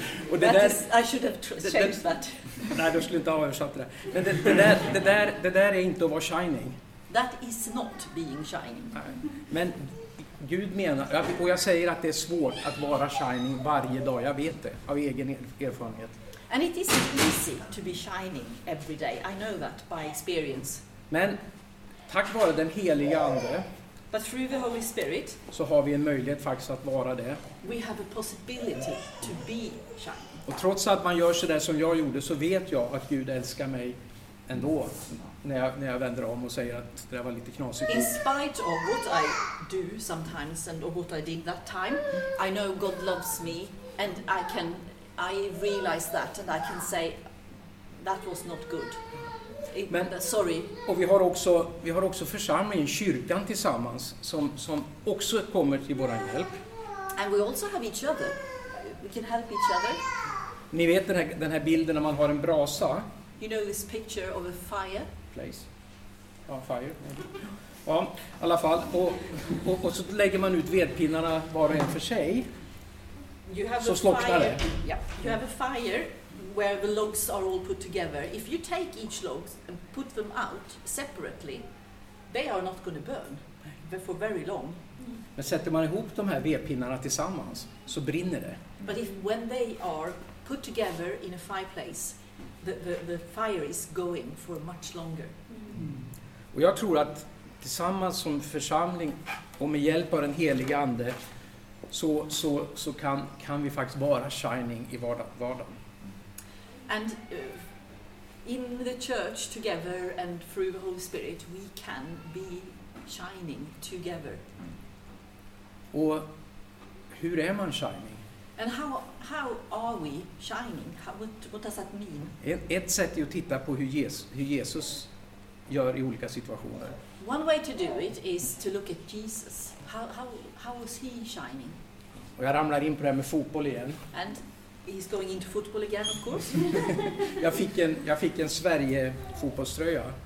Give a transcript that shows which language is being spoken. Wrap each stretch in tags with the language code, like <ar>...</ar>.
<sv>Och det där,</sv> <en>I should have changed that.</en> <sv>Nej, då skulle inte ha översatt det. Men det där är inte att vara shining.</sv> <en>That is not being shining.</en> <sv>Nej. Men Gud menar, och jag säger att det är svårt att vara shining varje dag. Jag vet det, av egen erfarenhet.</sv> <en>And it isn't easy to be shining every day. I know that by experience.</en> <sv>Men tack vare den helige ande.</sv> <en>But through the Holy Spirit.</en> <sv>Så har vi en möjlighet faktiskt att vara det.</sv> <en>We have a possibility to be shining.</en> <sv>Och trots att man gör så där som jag gjorde, så vet jag att Gud älskar mig ändå. När jag vänder om och säger att det var lite knasigt.</sv> <en>In spite of what I do sometimes and of what I did that time, I know God loves me and I realize that and I can say that was not good. Sorry.</en> <sv>Och vi har också församlingen, kyrkan tillsammans som också kommer till våran hjälp.</sv> <en>And we also have each other. We can help each other.</en> <sv>Ni vet den här bilden när man har en brasa.</sv> <en>You know this picture of a fire.</en> <sv>Place. Ja, fire. Ja, i alla fall. Och så lägger man ut vedpinnarna var och en för sig. Så slocknar det.</sv> <en>Yeah. You have a fire where the logs are all put together. If you take each log and put them out separately, they are not going to burn for very long. Mm.</en> <sv>Men sätter man ihop de här vedpinnarna tillsammans så brinner det.</sv> <en>But if when they are put together in a fireplace, the fire is going for much longer.</en> <sv>Och jag tror att tillsammans som församling och med hjälp av den helige ande så kan vi faktiskt vara shining i vardagen.</sv> <en>And in the church together and through the Holy Spirit we can be shining together.</en> <sv>Och hur är man shining?</sv> <en>And how are we shining? What does that mean?</en> <sv>Ett sätt är att titta på hur Jesus gör i olika situationer.</sv> <en>One way to do it is to look at Jesus. How was he shining?</en> <sv>Och jag ramlar in på det här med fotboll igen.</sv> <en>And he's going into football again, of course.</en> <sv>jag fick en Sverige fotbollströja.</sv>